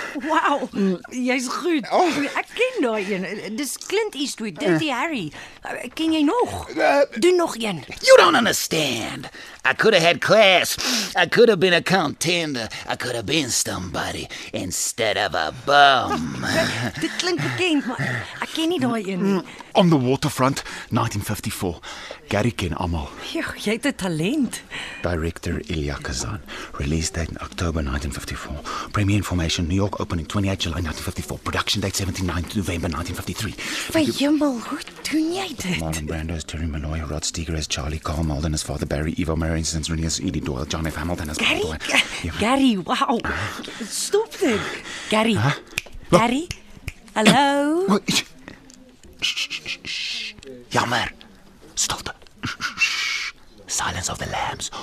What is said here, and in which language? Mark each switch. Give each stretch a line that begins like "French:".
Afrikaans: Wow. Jy's goed. Oh. Ek ken daai een. Dis Clint Eastwood, Dirty Harry. Ken jy nog? Doe nog een.
English: You don't understand. I could have had class. I could have been a contender. I could have been somebody instead of a bum.
Afrikaans: Dit klink bekend, maar ek ken nie daai een nie. On the Waterfront, 1954. Gary ken almal. Jy het 'n talent.
English: Director Ilya Kazan. Release date in October 1954. Premier information, New York opening 28 July 1954. Production date 79 November 1953.
Afrikaans: Vir jimmel, hoe doen jy dit?
English: Marlon Brando as Terry Malloy, Rod Steger as Charlie Carl Malden as Father Barry, Evo Marion as Rennie as Edie Doyle, John F. Hamilton as
Afrikaans: Gary. Gary, wow. Stop dit. Gary. Huh? Gary? Hallo? Shh. Jammer. Stilte. Silence of the lambs.